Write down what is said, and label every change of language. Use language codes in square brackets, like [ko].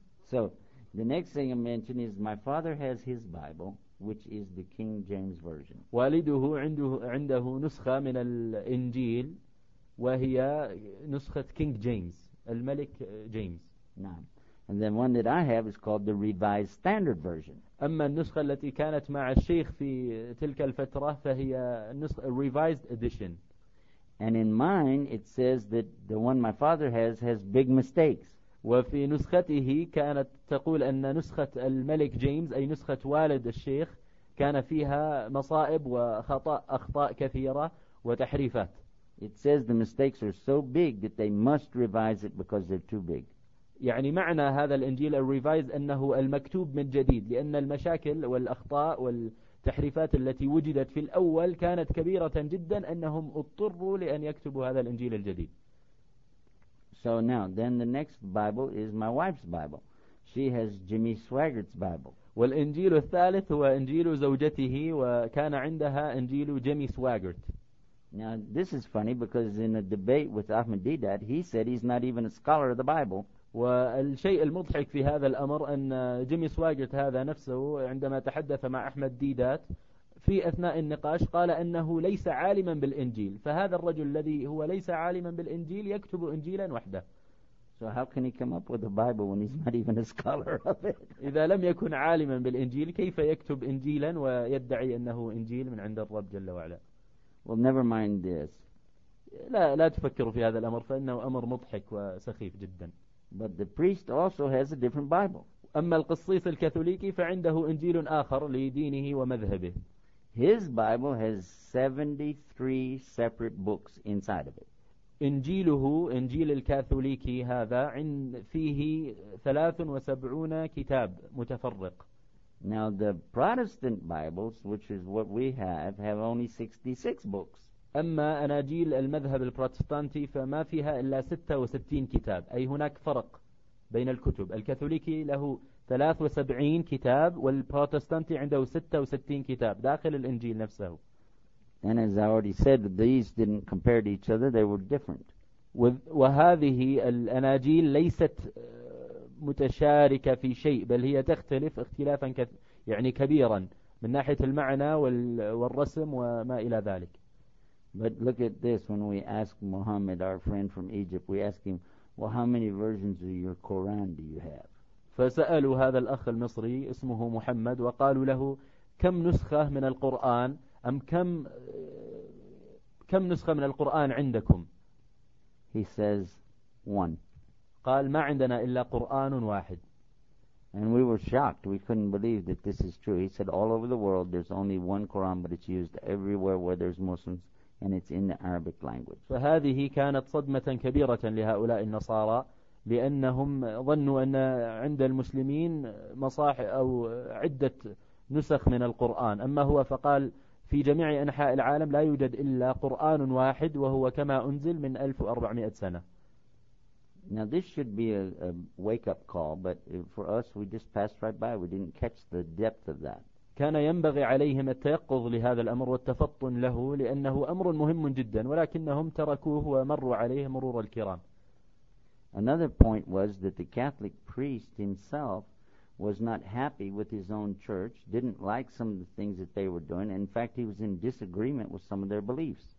[en] So the next thing I mention is my father has his Bible, which is the King James version. [ar] والده عنده نسخة من الإنجيل وهي نسخة King James، الملك James. نعم. [en] And then one that I have is called the Revised Standard Version. [ar] أما النسخة التي كانت مع الشيخ في تلك الفترة فهي نسخة Revised Edition. [en] And in mine, it says that the one my father has big mistakes. [ar] وفي نسخته كانت تقول أن نسخة الملك جيمس أي نسخة والد الشيخ كان فيها مصائب وخطأ أخطاء كثيرة وتحريفات. [en] It says the mistakes are so big that they must revise it because they're too big. [ar] يعني معنى هذا الإنجيل الريفايز أنه المكتوب من جديد، لأن المشاكل والأخطاء والتحريفات التي وجدت في الأول كانت كبيرة جدا أنهم اضطروا لأن يكتبوا هذا الإنجيل الجديد. [en] So now, then the next Bible is my wife's Bible. She has Jimmy Swaggart's Bible. [ar] والإنجيل الثالث هو إنجيل زوجته وكان عندها إنجيل جيمي سواغرت. [en] Now this is funny because in a debate with Ahmadinejad, he said he's not even a scholar of the Bible. [ar] والشيء المضحك في هذا الأمر أن جيمي سواغرت هذا نفسه عندما تحدث مع أحمدينيجاد في أثناء النقاش قال أنه ليس عالما بالإنجيل، فهذا الرجل الذي هو ليس عالما بالإنجيل يكتب إنجيلا وحده. [en] So how can he come up with a Bible when he's not even a scholar of it? [ar] إذا لم يكن عالما بالإنجيل كيف يكتب إنجيلا ويدعي أنه إنجيل من عند الرب جل وعلا؟ [en] Well, never mind this. [ar] لا تفكروا في هذا الأمر، فإنه أمر مضحك وسخيف جدا. [en] But the priest also has a different Bible. [ar] أما القصيص الكاثوليكي فعنده إنجيل آخر لدينه ومذهبه. [en] His Bible has 73 separate books inside of it. [ar] إنجيله إنجيل الكاثوليكي هذا فيه 73 كتاب متفرق. [en] Now the Protestant Bibles, which is what we have only 66 books. [ar] أما أناجيل المذهب البروتستانتي فما فيها إلا 66 كتاب، أي هناك فرق بين الكتب. الكاثوليكي له 73 كتاب والبروتستانتي عنده 66 كتاب داخل الإنجيل نفسه. [en] And as I already said, these didn't compare to each other; they were different. [ar] وهذه الأناجيل ليست متشاركة في شيء، بل هي تختلف اختلافا يعني كبيرا من ناحية المعنى والرسم وما إلى ذلك. [en] But look at this, when we ask Muhammad, our friend from Egypt, we ask him, well, how many versions of your Quran do you have? [ar] فسألوا هذا الأخ المصري اسمه محمد وقالوا له كم نسخة من القرآن أم كم نسخة من القرآن عندكم؟ [en] He says one. [ar] قال ما عندنا إلا قرآن واحد. [en] And we were shocked. We couldn't believe that this is true. He said all over the world there's only one Quran, but it's used everywhere where there's Muslims, and it's in the Arabic language. [ar] فهذه كانت صدمة كبيرة لهؤلاء النصارى لأنهم ظنوا أن عند المسلمين مصاح أو عدة نسخ من القرآن. أما هو فقال في جميع أنحاء العالم لا يوجد إلا قرآن واحد وهو كما أنزل من 1400 سنة. [en] Now this should be a wake-up call, but for us we just passed right by. We didn't catch the depth of that. [ar] كان ينبغي عليهم التيقظ لهذا الأمر والتفطن له لأنه أمر مهم جدا ولكنهم تركوه ومروا عليه مرور الكرام. [en] Another point was that the Catholic priest himself was not happy with his own church, didn't like some of the things that they were doing. In fact, he was in disagreement with some of their beliefs.